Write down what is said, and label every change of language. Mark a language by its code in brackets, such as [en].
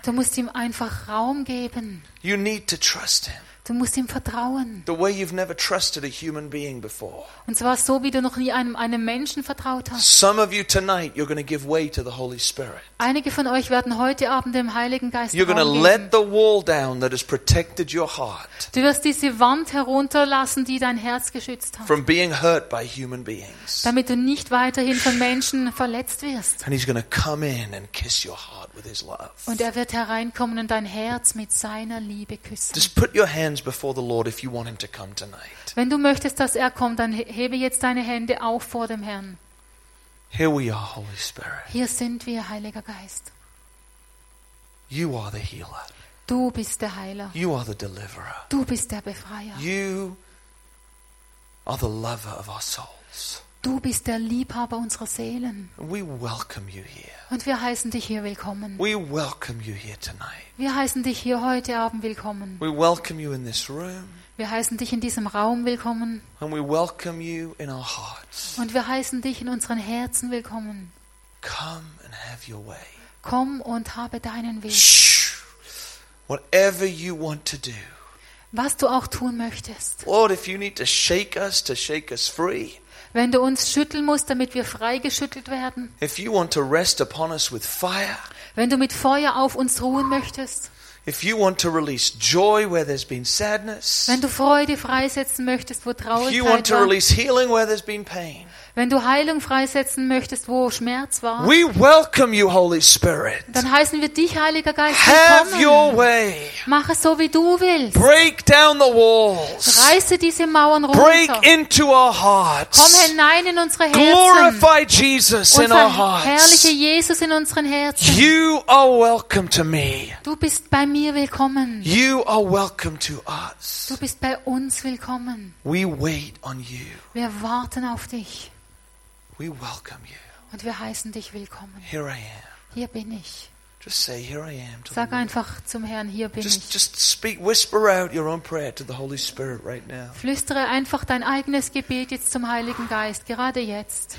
[de] Du musst ihm einfach Raum geben. [en] You need to trust him. [de] Du musst ihm vertrauen. [en] The way you've never trusted a human being before. [de] Und zwar so, wie du noch nie einem Menschen vertraut hast. [en] Some of you tonight, you're going to give way to the Holy Spirit. [de] Einige von euch werden heute Abend dem Heiligen Geist Raum geben. [en] You're going to let the wall down that has protected your heart. [de] Du wirst diese Wand herunterlassen, die dein Herz geschützt hat. [en] From being hurt by human beings. [de] Damit du nicht weiterhin von Menschen verletzt wirst. [en] And he's going to come in and kiss your heart with his love. [de] Und er wird hereinkommen und dein Herz mit seiner Liebe küssen. [en] Just put your hands before the Lord if you want him to come tonight. [de] Wenn du möchtest, dass er kommt, dann hebe jetzt deine Hände auf vor dem Herrn. [en] Here we are, Holy Spirit. [de] Hier sind wir, Heiliger Geist. [en] You are the healer. [de] Du bist der Heiler. [en] You are the deliverer. [de] Du bist der Befreier. [en] You are the lover of our souls. [de] Du bist der Liebhaber unserer Seelen. [en] We welcome you here. [de] Und wir heißen dich hier willkommen. [en] We welcome you here tonight. [de] Wir heißen dich hier heute Abend willkommen. [en] We welcome you in this room. [de] Wir heißen dich in diesem Raum willkommen. [en] And we welcome you in our hearts. [de] Und wir heißen dich in unseren Herzen willkommen. [en] Come and have your way. [de] Komm und habe deinen Weg. [en] Whatever you want to do. [de] Was du auch tun möchtest. [en] Lord, if you need to shake us free. [de] Wenn du uns schütteln musst, damit wir freigeschüttelt werden. [en] If you want to rest upon us with fire. [de] Wenn du mit Feuer auf uns ruhen möchtest. [en] If you want to release joy where there's been sadness. [de] Wenn du Freude freisetzen möchtest, wo Traurigkeit war. [en] If you want to release healing where there's been pain. [de] Wenn du Heilung freisetzen möchtest, wo Schmerz war. [en] We welcome you, Holy Spirit. [de] Dann heißen wir dich, Heiliger Geist, willkommen. [en] Have your way. [de] Mach es so, wie du willst. [en] Break down the walls. [de] Reiße diese Mauern runter. [en] Break into our hearts. [de] Komm hinein in unsere Herzen. [en] Glorify Jesus in our hearts. [de] Und verherrliche Jesus in unseren Herzen. [en] You are welcome to me. [de] Du bist bei mir willkommen. [en] You are welcome to us. [de] Du bist bei uns willkommen. [en] We wait on you. [de] Wir warten auf dich. [en] We welcome you. [de] Und wir heißen dich willkommen. [en] Here I am. [de] Hier bin ich. [en] Just say, here I am to [de] Sag einfach zum Herrn, hier bin ich. [en] Just speak, whisper out your own prayer to the Holy Spirit right now. [de] Flüstere einfach dein eigenes Gebet jetzt zum Heiligen Geist, gerade jetzt.